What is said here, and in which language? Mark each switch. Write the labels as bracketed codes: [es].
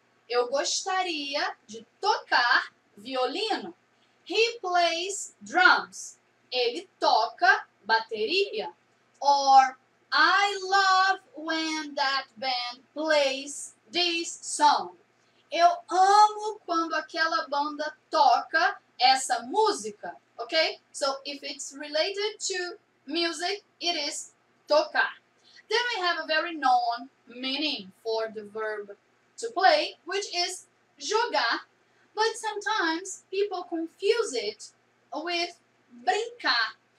[pt] Eu gostaria de tocar violino. [en] He plays drums. [pt] Ele toca bateria. [en] Or I love when that band plays this song. [pt] Eu amo quando aquela banda toca essa música. [en] Okay? So if it's related to music, it is tocar. Then we have a very known meaning for the verb to play, which is jogar. But sometimes people confuse it with brincar.